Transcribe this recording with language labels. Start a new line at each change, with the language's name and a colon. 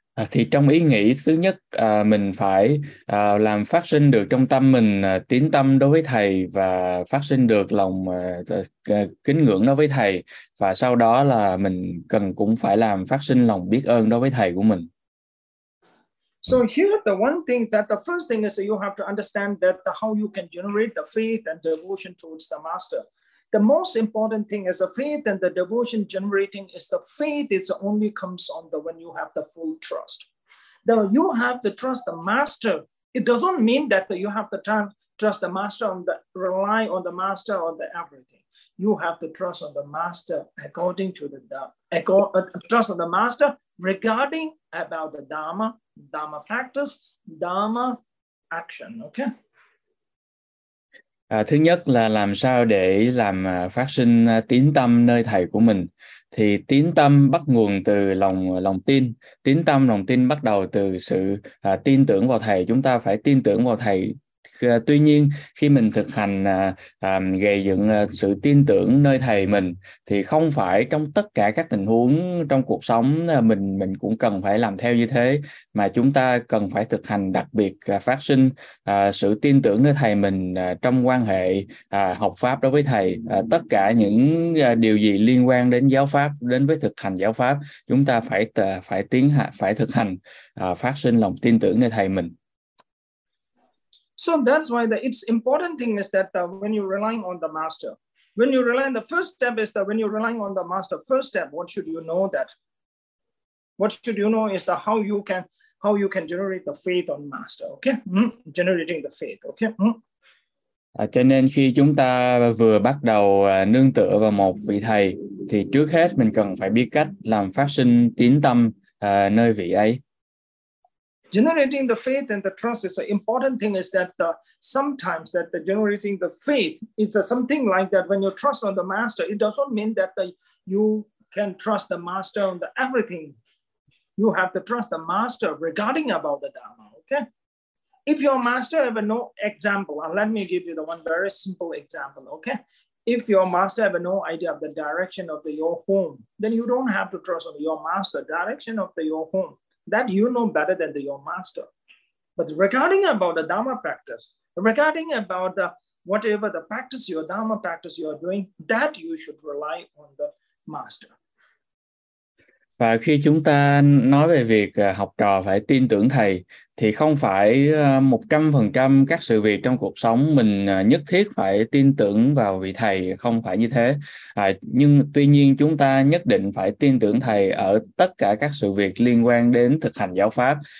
Vietnamese: Thì trong ý nghĩ thứ nhất, mình phải làm phát sinh được trong tâm mình tín tâm đối với thầy, và phát sinh được lòng kính ngưỡng đối với thầy, và sau đó là mình cần cũng phải làm phát sinh lòng biết ơn đối với thầy của mình.
English: So here the one thing that the first thing is you have to understand that how you can generate the faith and devotion towards the master. The most important thing is the faith and the devotion generating is the faith is only comes on the when you have the full trust. Though you have to trust the master, it doesn't mean that you have to trust the master on the rely on the master on the everything. You have to trust on the master according to trust on the master regarding about the Dhamma. Dharma practice, Dharma action, okay?
Vietnamese: Thứ nhất là làm sao để làm phát sinh tín tâm nơi thầy của mình. Thì tín tâm bắt nguồn từ lòng lòng tin. Tín tâm lòng tin bắt đầu từ sự tin tưởng vào thầy. Chúng ta phải tin tưởng vào thầy Tuy nhiên, khi mình thực hành gầy dựng sự tin tưởng nơi thầy mình, thì không phải trong tất cả các tình huống trong cuộc sống mình cũng cần phải làm theo như thế, mà chúng ta cần phải thực hành đặc biệt phát sinh sự tin tưởng nơi thầy mình trong quan hệ học pháp đối với thầy. Tất cả những điều gì liên quan đến giáo pháp, đến với thực hành giáo pháp, chúng ta phải thực hành phát sinh lòng tin tưởng nơi thầy mình.
English: So that's why the it's important thing is that when you're relying on the master, when you rely on the first step is that when you're relying on the master, first step, what should you know that? What should you know is that how you can generate the faith on master, okay? Generating the faith, okay?
Vietnamese: Cho nên khi chúng ta vừa bắt đầu nương tựa vào một vị thầy, thì trước hết mình cần phải biết cách làm phát sinh tín tâm nơi vị ấy.
English: Generating the faith and the trust is an important thing is that sometimes that the generating the faith, it's something like that when you trust on the master, it does not mean that you can trust the master on the everything. You have to trust the master regarding about the Dharma, okay? If your master have no example, and let me give you the one very simple example, okay? If your master have no idea of the direction of your home, then you don't have to trust on your master, direction of your home. That you know better than your master. But regarding about the Dharma practice, regarding about the whatever the practice, your Dharma practice you are doing, that you should rely on the master.
Vietnamese: Và khi chúng ta nói về việc học trò phải tin tưởng thầy, thì không phải 100% các sự việc trong cuộc sống mình nhất thiết phải tin tưởng vào vị thầy, không phải như thế. Nhưng tuy nhiên chúng ta nhất định phải tin tưởng thầy ở tất cả các sự việc liên quan đến thực hành giáo pháp.